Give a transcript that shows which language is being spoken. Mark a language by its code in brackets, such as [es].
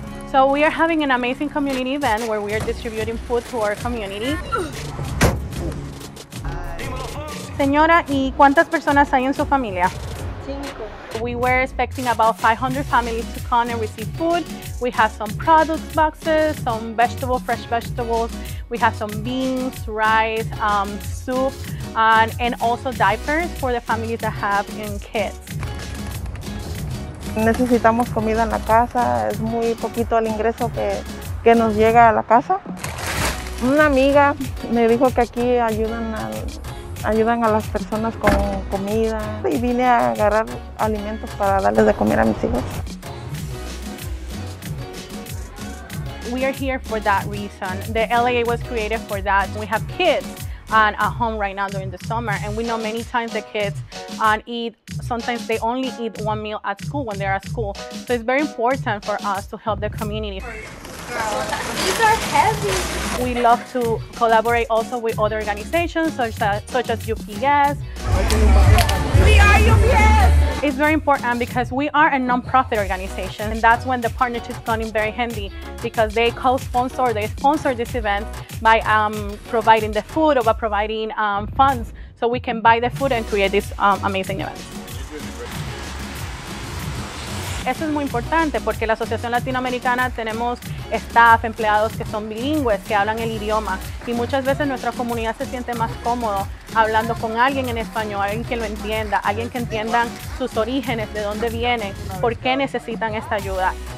[en] So we are having an amazing community event where we are distributing food to our community. [es] Señora, ¿y cuántas personas hay en su familia? Cinco. [en] We were expecting about 500 families to come and receive food. We have some produce boxes, some vegetables, fresh vegetables. We have some beans, rice, soup, and also diapers for the families that have young kids. [es] Necesitamos comida en la casa. Es muy poquito el ingreso que nos llega a la casa. Una amiga me dijo que aquí ayudan a las personas con comida. Y vine a agarrar alimentos para darles de comer a mis hijos. [en] We are here for that reason. The LAA was created for that. We have kids and at home right now during the summer, and we know many times the kids eat, sometimes they only eat one meal at school when they're at school. So it's very important for us to help the community. These are heavy. We love to collaborate also with other organizations such as UPS. We are UPS. It's very important because we are a non-profit organization, and that's when the partnership comes in very handy, because they sponsor this event by providing the food or by providing funds so we can buy the food and create this amazing event. [es] Eso es muy importante porque la Asociación Latinoamericana tenemos staff, empleados que son bilingües, que hablan el idioma, y muchas veces nuestra comunidad se siente más cómodo hablando con alguien en español, alguien que lo entienda, alguien que entienda sus orígenes, de dónde vienen, por qué necesitan esta ayuda.